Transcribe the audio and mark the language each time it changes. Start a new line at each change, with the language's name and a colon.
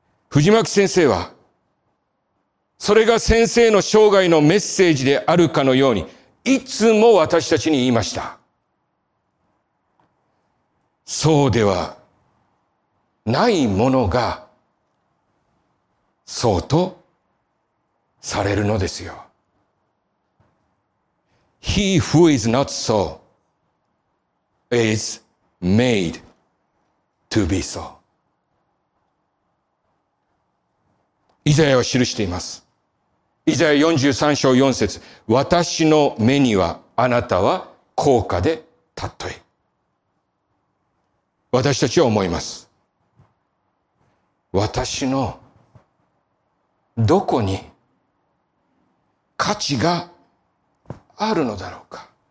Japanese: 藤巻先生はそれが先生の生涯のメッセージであるかのようにいつも私たちに言いました。そうではないものがそうとされるのですよ。
English: He who is not so is made to be so。
Japanese: イザヤは記しています。イザヤ43章4節、私の目にはあなたは高価でたとえ。私たちは思います。私のどこに価値があるのだろうか。